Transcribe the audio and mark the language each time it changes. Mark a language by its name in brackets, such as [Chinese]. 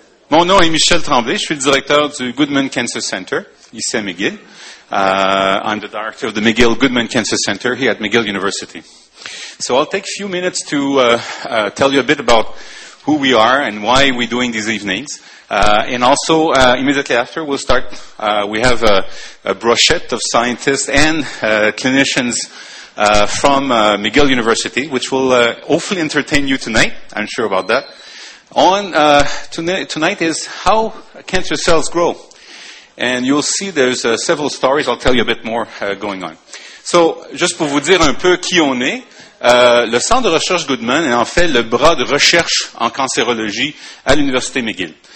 [French] Mon nom est Michel Tremblay, je suis le directeur du Goodman Cancer Center, ici à McGill. [English] I'm the director of the McGill Goodman Cancer Center here at McGill University. So I'll take a few minutes to tell you a bit about who we are and why we're doing these evenings. And also, immediately after, we'll start. We have a brochette of scientists and clinicians from McGill University, which will hopefully entertain you tonight. I'm sure about that. Tonight is how cancer cells grow. And you'll see there's several stories. I'll tell you a bit more going on. So, just [French] pour vous dire un peu qui on est, le Centre de recherche Goodman est en fait le bras de recherche en cancérologie à l'Université McGill.